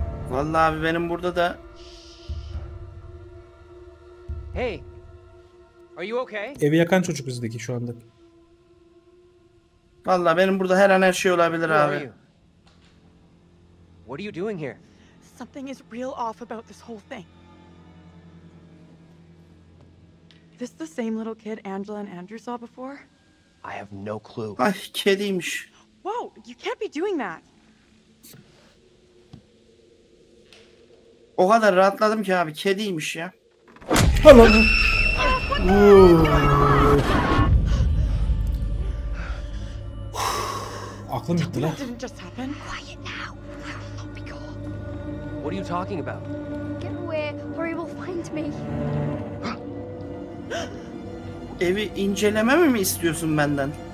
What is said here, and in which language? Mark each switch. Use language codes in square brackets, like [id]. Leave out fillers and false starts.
[tr] Vallahi abi benim burada da... [en] Hey. Are you okay? [tr] Evi yakan çocuk bizdeki şu anda. Vallahi benim burada her an her şey olabilir abi. [en] What are you doing here? Something is real off about this whole thing. This the same little kid Angela and Andrew saw before? I have no clue. [tr] Ay kediymiş. [en] Whoa, you can't be doing that. [tr] O kadar rahatladım ki abi kediymiş ya. [en] Hello. [tr] Aklım gitti lan. [en] Didn't just happen. Quiet now. I'll be cool. What are you talking about? Get away or he will find me. [tr] Evi incelememi mi istiyorsun benden?